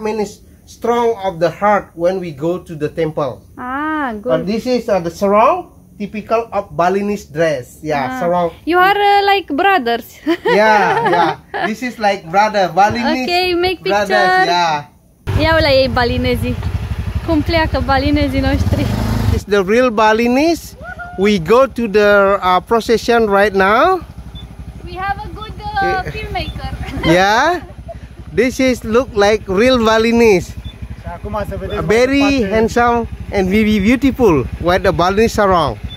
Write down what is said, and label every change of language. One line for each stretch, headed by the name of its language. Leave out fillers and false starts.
English: means strong of the heart when we go to the temple. Ah, good. But this is the sarong, typical of Balinese dress. Yeah, sarong. You are like brothers. yeah. This is like brother, Balinese. Okay, make picture. Brothers, yeah.
Romanian: Ia ăla ei balinezii. Cum pleacă balinezii noștri?
English: It's the real Balinese. We go to the procession right now. We have a good filmmaker. Yeah. This is look like real Balinese.
Romanian: Acum să vedem.
English: Very handsome and very beautiful with the Balinese sarong.